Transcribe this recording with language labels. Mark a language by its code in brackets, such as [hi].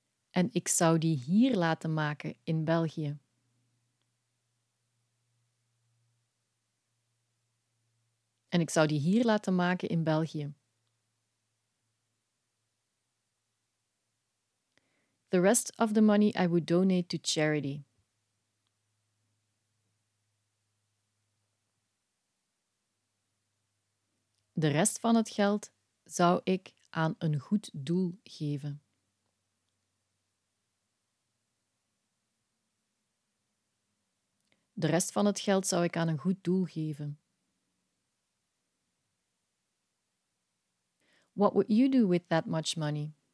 [nl] En ik zou die hier laten maken in België. En ik zou die hier laten maken in België. [en] The rest of the money I would donate to charity. [nl] De rest van het geld zou ik aan een goed doel geven. De rest van het geld zou ik aan een goed doel geven. [en] What would you do with that much money?